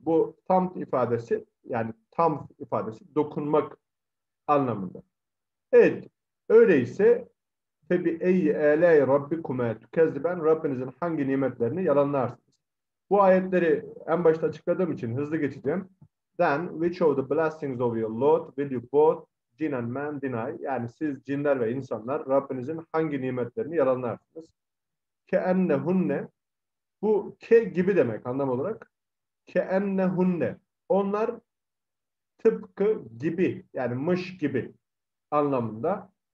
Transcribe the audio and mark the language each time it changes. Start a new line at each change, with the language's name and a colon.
Turkish: Bu thumped ifadesi, yani thumped ifadesi, dokunmak anlamında. Evet, öyleyse tabi
Arabic: ey eley rabbikume tukezziben,
Turkish: Rabbinizin hangi nimetlerini yalanlarsınız? Bu ayetleri en başta açıkladığım için hızlı geçeceğim.
English: Then, which of the blessings of your Lord will you both jinn and man deny?
Turkish: Yani siz cinler ve insanlar Rabbinizin hangi nimetlerini yalanlarsınız?
Arabic: Ke enne hunne,
Turkish: bu ke gibi demek anlam olarak.
Arabic: Ke enne hunne,
Turkish: onlar tıpkı gibi, yani mış gibi anlamında.